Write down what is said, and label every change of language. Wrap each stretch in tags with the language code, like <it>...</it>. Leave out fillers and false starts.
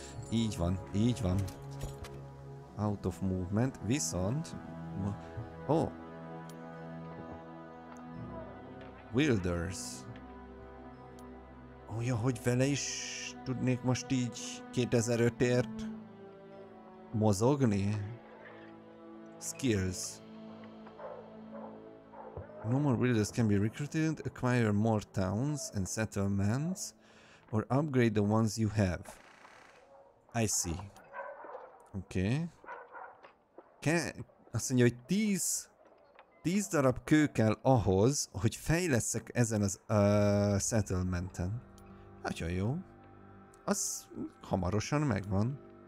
<hu>Így van, így van.</hu> <en>Out of movement.</en> <hu>Viszont... Ó! Oh.</hu> <en>Wilders.</en> <hu>Olyan, hogy vele is tudnék most így 2005-ért mozogni?</hu> <en>Skills. No more wielders can be recruited, acquire more towns and settlements, or upgrade the ones you have. I see. Okay.</en> <hu>Azt mondja, hogy 10 darab kő kell ahhoz, hogy fejleszek ezen az settlementen. Nagyon jó. Az hamarosan megvan.</hu>